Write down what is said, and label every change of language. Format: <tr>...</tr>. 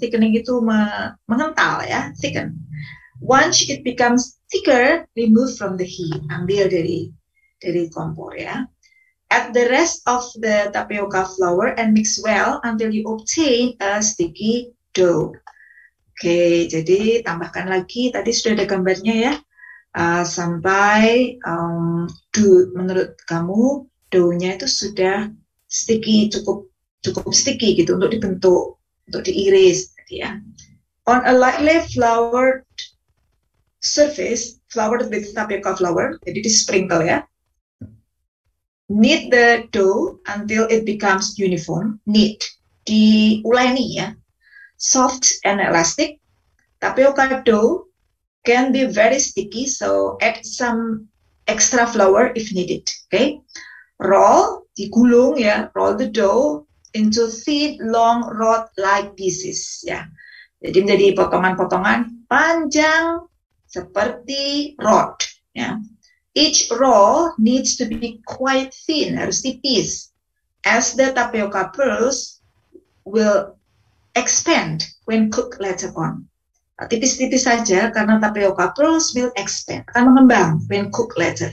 <en>Thickening</en> <id>itu mengental ya,</id> <en>thicken. Once it becomes thicker, remove from the heat,</en> <id>ambil dari kompor ya.</id> <en>Add the rest of the tapioca flour and mix well until you obtain a sticky dough.</en> <id>Okay, jadi tambahkan lagi, tadi sudah ada gambarnya ya. Sampai menurut kamu dough-nya itu sudah sticky, cukup sticky gitu untuk dibentuk, untuk diiris gitu ya.</id> <en>On a lightly floured surface, floured with tapioca flour,</en> <id>jadi di sprinkle ya.</id> <en>Knead the dough until it becomes uniform, knead,</en> <id>diuleni ya.</id> <en>Soft and elastic, tapioca dough can be very sticky, so add some extra flour if needed. Okay, roll,</en> <id>digulung ya,</id> <en>roll the dough into thin, long rod-like pieces.</en> <id>Ya, jadi menjadi potongan-potongan panjang seperti rod.</id> <en>Ya, each roll needs to be quite thin,</en> <id>harus tipis,</id> <en>as the tapioca pearls will expand when cooked later on.</en> <id>Tipis-tipis saja karena</id> <en>tapioca pearls will expand,</en> <id>akan mengembang</id> <en>when cooked later.</en>